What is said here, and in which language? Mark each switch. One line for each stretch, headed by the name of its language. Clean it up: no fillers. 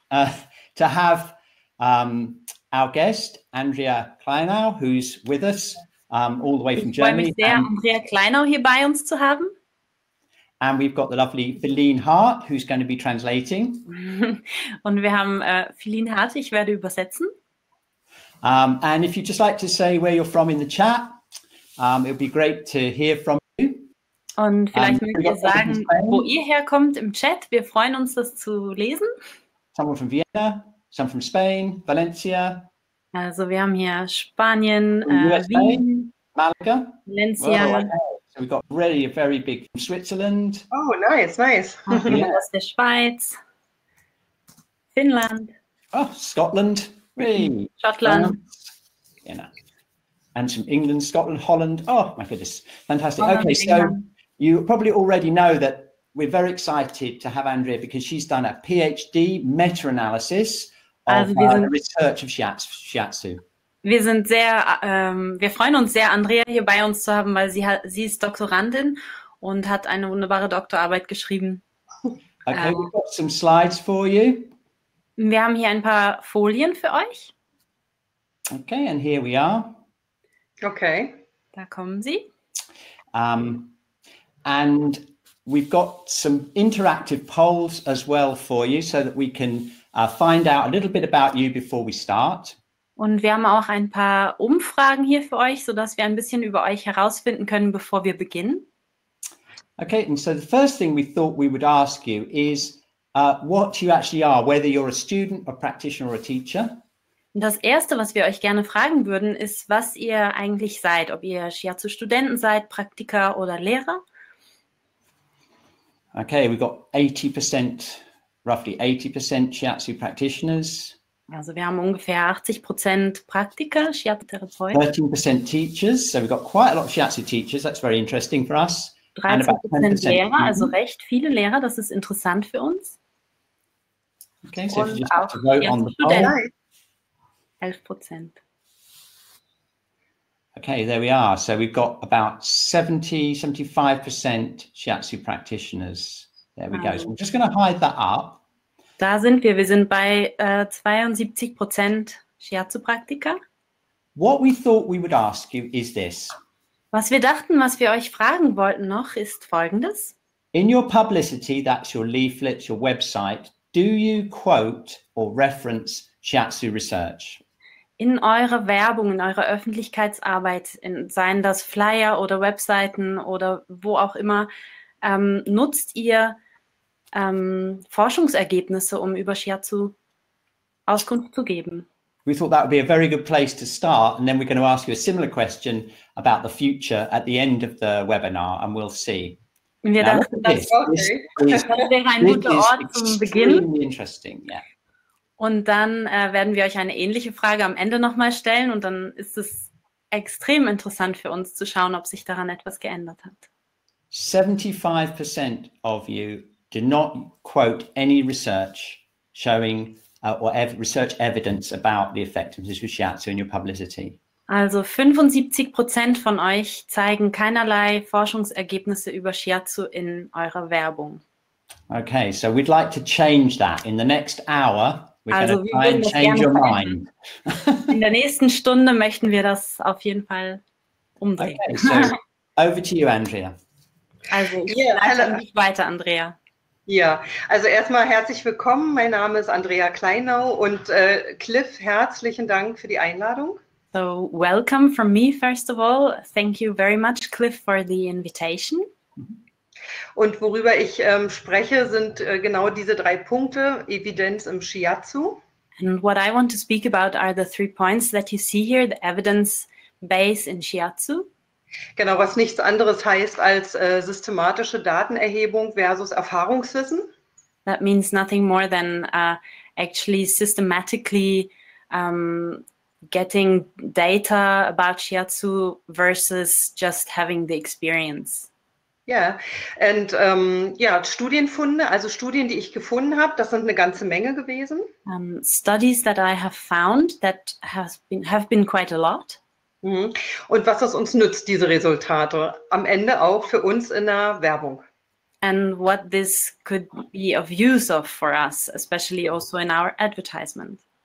English: To have our guest Andrea Kleinau, who's with us all the way from Germany.
German: Ich freue mich sehr, Andrea Kleinau hier bei uns zu haben.
English: And we've got the lovely Feline Hart, who's going to be translating.
German: Und wir haben Feline Hart, ich werde übersetzen.
English: And if you'd just like to say where you're from in the chat, it would be great to hear from you.
German: Und vielleicht mögt ihr sagen, wo ihr herkommt im Chat. Wir freuen uns, das zu lesen.
English: Someone from Vienna, some from Spain, Valencia.
German: Also wir haben hier Spanien, Wien, Malaga, Valencia.
English: So we've got really a very big from Switzerland. Oh, nice.
German: Aus der Schweiz, Finnland.
English: Oh, Scotland.
German: Schottland.
English: And some England, Scotland, Holland. Oh, my goodness. Fantastic. Okay, so you probably already know that we're very excited to have Andrea because she's done a PhD meta-analysis of the research of Shiatsu.
German: Wir freuen uns sehr, Andrea hier bei uns zu haben, weil sie ist Doktorandin und hat eine wunderbare Doktorarbeit geschrieben.
English: Okay, we've got some slides for you.
German: Wir haben hier ein paar Folien für euch.
English: Okay, and here we are. Okay.
German: Da kommen sie.
English: And we've got some interactive polls as well for you, so that we can find out a little bit about you before we start.
German: Und wir haben auch ein paar Umfragen hier für euch, sodass wir ein bisschen über euch herausfinden können, bevor wir beginnen.
English: Okay, and so the first thing we thought we would ask you is what you actually are, whether you're a student, a practitioner or a teacher.
German: Und das Erste, was wir euch gerne fragen würden, ist, was ihr eigentlich seid, ob ihr Shiatsu-Studenten seid, Praktiker oder Lehrer.
English: Okay, we've got 80%, roughly 80% Shiatsu practitioners.
German: Also wir haben ungefähr 80% Praktiker, Shiatsu-Therapeuten.
English: 13% teachers, so we've got quite a lot of Shiatsu teachers, that's very interesting for us.
German: 13% Lehrer, also recht viele Lehrer, das ist interessant für uns.
English: Okay, so you just have to vote on the poll. 11%. Okay, there we are. So we've got about 75% Shiatsu practitioners. There we go. So we're just going to hide that up.
German: Da sind wir. Wir sind bei 72% Shiatsu Praktiker.
English: What we thought we would ask you is this.
German: Was wir dachten, was wir euch fragen wollten noch, ist Folgendes.
English: In your publicity, that's your leaflets, your website, do you quote or reference Shiatsu research?
German: In eurer Werbung, in eurer Öffentlichkeitsarbeit, seien das Flyer oder Webseiten oder wo auch immer, nutzt ihr Forschungsergebnisse, um über Shiatsu Auskunft zu geben?
English: We thought that would be a very good place to start, and then we're going to ask you a similar question about the future at the end of the webinar, and we'll see.
German: Wir dachten, das wäre ein guter Ort zum Beginn.
English: Interesting, yeah.
German: Und dann werden wir euch eine ähnliche Frage am Ende nochmal stellen und dann ist es extrem interessant für uns zu schauen, ob sich daran etwas geändert hat.
English: 75% of you do not quote any research showing research evidence about the effectiveness of Shiatsu in your publicity.
German: Also 75% von euch zeigen keinerlei Forschungsergebnisse über Shiatsu in eurer Werbung.
English: Okay, so we'd like to change that in the next hour. We're going to try and change your mind.
German: In der nächsten Stunde möchten wir das auf jeden Fall umdrehen.
English: Okay, so over to you, Andrea.
German: Also ich weiter, Andrea. Ja, also erstmal herzlich willkommen. Mein Name ist Andrea Kleinau und Cliff, herzlichen Dank für die Einladung.
English: So welcome from me, first of all. Thank you very much, Cliff, for the invitation.
German: Und worüber ich spreche, sind genau diese drei Punkte, Evidenz im Shiatsu.
English: And what I want to speak about are the three points that you see here, the evidence base in Shiatsu.
German: Genau, was nichts anderes heißt als systematische Datenerhebung versus Erfahrungswissen.
English: That means nothing more than actually systematically getting data about Shiatsu versus just having the experience.
German: Ja, yeah. Und Studienfunde, also Studien, die ich gefunden habe, das sind eine ganze Menge gewesen.
English: Studies that I have found that have been quite a lot. Mm-hmm.
German: Und was das uns nützt, diese Resultate, am Ende auch für uns in der Werbung.
English: and what this could be of use of for us, especially also in our advertisement.